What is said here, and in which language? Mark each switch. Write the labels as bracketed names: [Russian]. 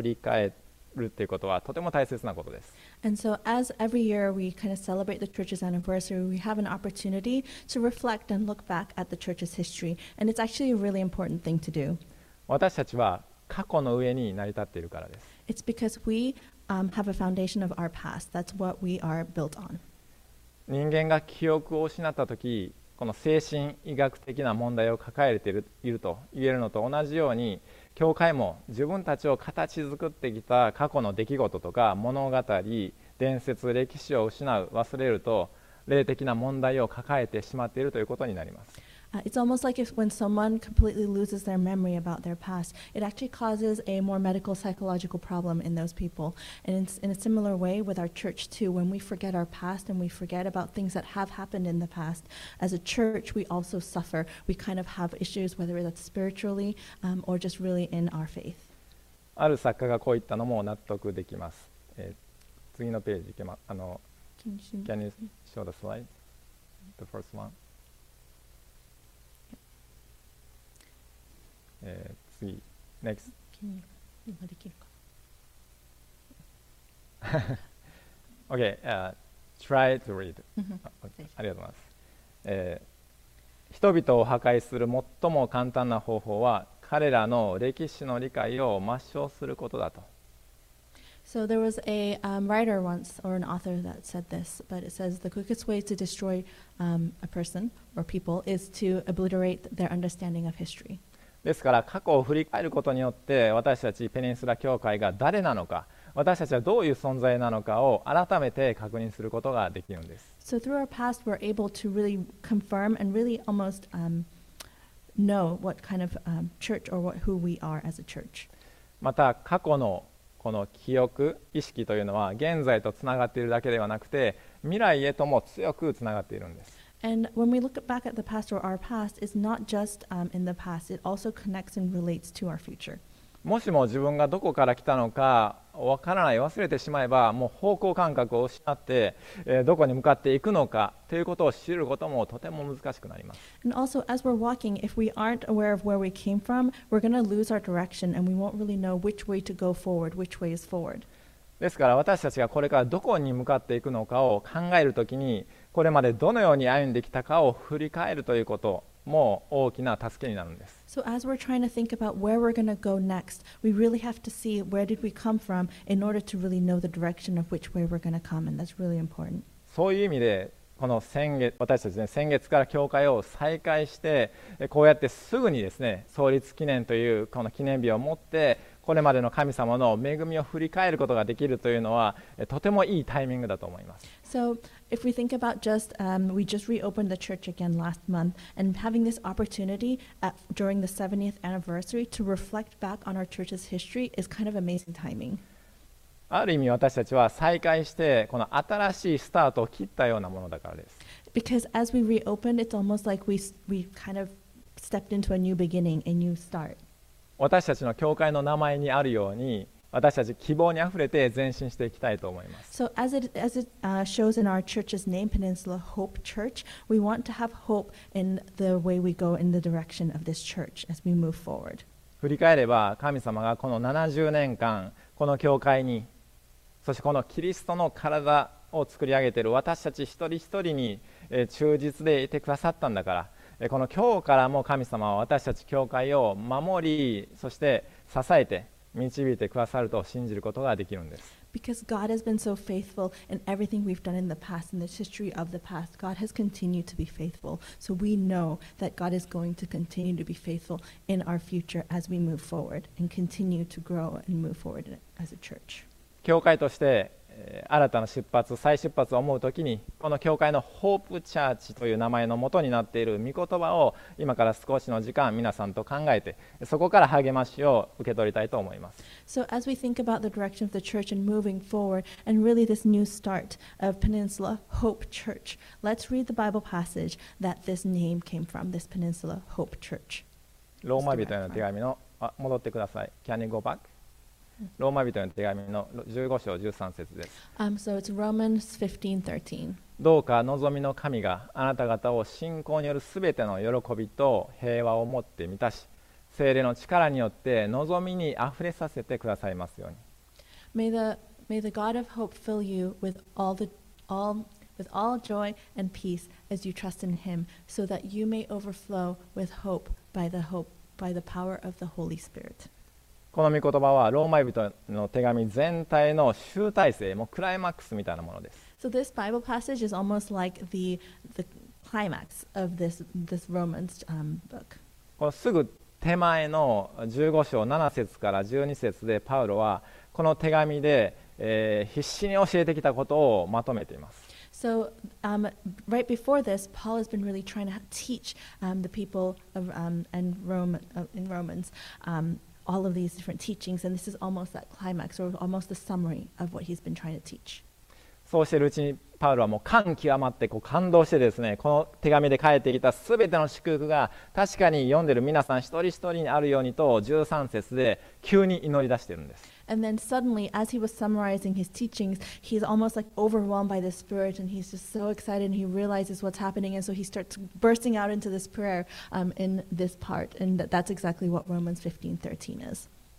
[Japanese] 私たちはこのこうやってですね、毎年創立記念という日を機会にこの教会の過去を振り返るということはとても大切なことです。 [English] And so as every year we kind of celebrate the church's anniversary, we have an opportunity to reflect and look back at the church's history. And it's actually a really important thing to do. [Japanese] 私たちは過去の上に成り立っているからです。 [English] It's because we have a foundation of our past. That's what we are built on. [Japanese] 人間が記憶を失った時、この精神医学的な問題を抱えていると言えるのと同じように、 教会も自分たちを形作ってきた過去の出来事とか物語、伝説、歴史を失う、忘れると霊的な問題を抱えてしまっているということになります。 [English] It's almost like if when someone completely loses their memory about their past, it actually causes a more medical psychological problem in those people. And it's in a similar way with our church too. When we forget our past and we forget about things that have happened in the past, as a church, we also suffer. We kind of have issues, whether that's spiritually, or just really in our faith. [Japanese] ある作家がこう言ったのも納得できます。次のページ行けま、あの、 [English] Can you show the slide? The first one? [Japanese] 次、NEXT。今できるか。 [English] OK、TRY TO READ。 [Japanese] ありがとうございます。人々を破壊する最も簡単な方法は、彼らの歴史の理解を抹消することだと。 [English] So there was a writer once, or an author that said this, but it says the quickest way to destroy a person or people is to obliterate their understanding of history. [Japanese] ですから過去を振り返ることによって私たちペニンスラ教会が誰なのか、私たちはどういう存在なのかを改めて確認することができるんです。 [English] So through our past we're able to really confirm and really almost know what kind of church or what, who we are as a church. [Japanese] また過去のこの記憶意識というのは現在とつながっているだけではなくて未来へとも強くつながっているんです。 [English] And when we look back at the past or our past, it's not just in the past. It also connects and relates to our future. [Japanese] もしも自分がどこから来たのかわからない、忘れてしまえば、もう方向感覚を失って、どこに向かっていくのかということを知ることもとても難しくなります。 [English] And also, as we're walking, if we aren't aware of where we came from, we're going to lose our direction, and we won't really know which way to go forward, which way is forward. [Japanese] ですから私たちがこれからどこに向かっていくのかを考えるときに、これまでどのように歩んできたかを振り返るということも大きな助けになるんです。 [English] So as we're trying to think about where we're going to go next, we really have to see where did we come from in order to really know the direction of which way we're going to come, and that's really important. [Japanese] そういう意味で、この先月、私たち、ね、先月から教会を再開して、こうやってすぐにですね、創立記念というこの記念日を持って、これまでの神様の恵みを振り返ることができるというのは、とてもいいタイミングだと思います。 [English] So, if we think about just, we just reopened the church again last month, and having this opportunity at, during the 70th anniversary to reflect back on our church's history is kind of amazing timing. [Japanese] ある意味私たちは再開して、この新しいスタートを切ったようなものだからです。 [English] Because as we reopened, it's almost like we kind of stepped into a new beginning, a new start. [Japanese] 私たちの教会の名前にあるように、私たち希望にあふれて前進していきたいと思います。 [English] So as it shows in our church's name, Peninsula Hope Church, we want to have hope in the way we go in the direction of this church as we move forward. [Japanese] 振り返れば、神様がこの70年間、この教会に、そしてこのキリストの体を作り上げている私たち一人一人に忠実でいてくださったんだから、この今日からも神様は私たち教会を守り、そして支えて、導いてくださると信じることができるんです。 [English] Because God has been so faithful in everything we've done in the past, in the history of the past, God has continued to be faithful. So we know that God is going to continue to be faithful in our future as we move forward and continue to grow and move forward as a church. [Japanese] 教会として新たな出発、再出発を思うときに、この教会のホープチャーチという名前のもとになっている御言葉を今から少しの時間皆さんと考えて、そこから励ましを受け取りたいと思います。 [English] So as we think about the direction of the church and moving forward, and really this new start of Peninsula Hope Church, let's read the Bible passage that this name came from, this Peninsula Hope Church. [Japanese] ローマ人への手紙の、戻ってください。 [English] Can you go back? [Japanese] ローマ人の手紙の15章13節です。 [English] So it's Romans 15:13. [Japanese] どうか望みの神があなた方を信仰によるすべての喜びと平和をもって満たし、聖霊の力によって望みにあふれさせてくださいますように。 [English] May the God of hope fill you with all joy and peace as you trust in Him, so that you may overflow with hope by the hope by the power of the Holy Spirit. [Japanese] この御言葉はローマ人の手紙全体の集大成、もうクライマックスみたいなものです。 [English] So this Bible passage is almost like the climax of this Romans book. [Japanese] このすぐ手前の15章7節から12節でパウロはこの手紙で、必死に教えてきたことをまとめています。 [English] So, right before this, Paul has been really trying to teach the people of and Rome in Romans. All of these different teachings, and this is almost that climax, or almost the summary of what he's been trying to teach. [Japanese] そうしているうちに、パウロはもう感極まって、こう感動してですね、この手紙で書いてきたすべての祝福が確かに読んでる皆さん一人一人にあるようにと13節で急に祈り出しているんです。 [English] And then suddenly, as he was summarizing his teachings, he's almost like overwhelmed by the Spirit, and he's just so excited, and he realizes what's happening, and so he starts bursting out into this prayer in this part, and that's exactly what Romans 15:13 is.